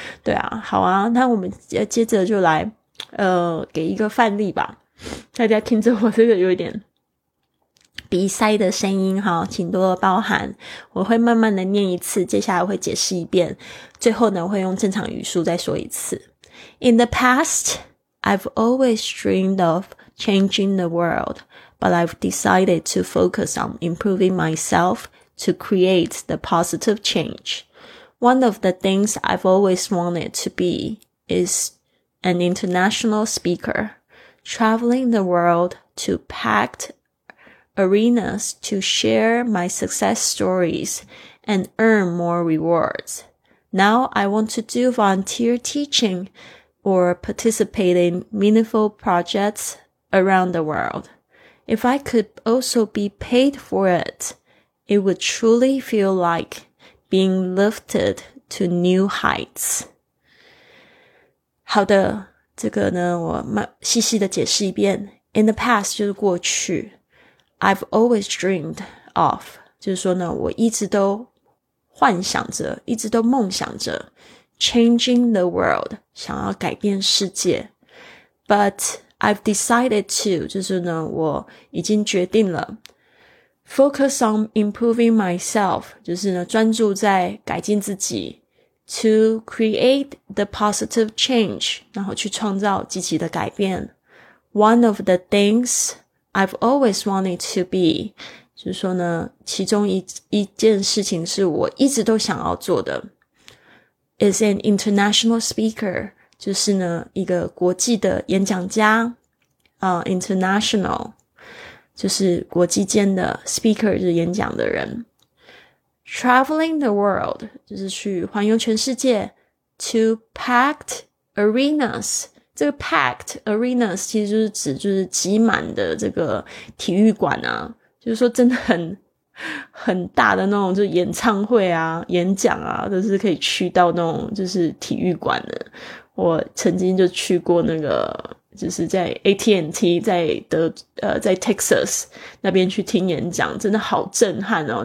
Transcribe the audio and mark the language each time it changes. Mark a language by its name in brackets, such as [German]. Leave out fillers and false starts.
[Chinese] 对啊，好啊，那我们接着就来给一个范例吧，大家听着我这个有点鼻塞的声音哈，请多多包涵，我会慢慢的念一次，接下来会解释一遍，最后呢会用正常语速再说一次。 [English] In the past, I've always dreamed of changing the world, but I've decided to focus on improving myself to create the positive change. One of the things I've always wanted to be is an international speaker, traveling the world to packed arenas to share my success stories and earn more rewards. Now I want to do volunteer teaching or participate in meaningful projects around the world. If I could also be paid for it, it would truly feel like being lifted to new heights. [Chinese] 好的，这个呢，我细细的解释一遍。 In the past 就是过去。 I've always dreamed of, 就是说呢，我一直都幻想着，一直都梦想着 changing the world, 想要改变世界。 But I've decided to, 就是呢，我已经决定了 focus on improving myself, 就是呢，专注在改进自己 to create the positive change, 然后去创造积极的改变。 One of the things,I've always wanted to be, 就是说呢，其中一件事情是我一直都想要做的。 Is an international speaker, 就是呢，一个国际的演讲家。 International, 就是国际间的 speaker, 就是演讲的人。 [English] Traveling the world, 就是去环游全世界。 To packed arenas, [Chinese] 这个 packed arenas 其实就是指就是挤满的这个体育馆啊，就是说真的很大的那种，就是演唱会啊、演讲啊，都是可以去到那种就是体育馆的。我曾经就去过那个，就是在 AT&T 在 Texas 那边去听演讲，真的好震撼哦！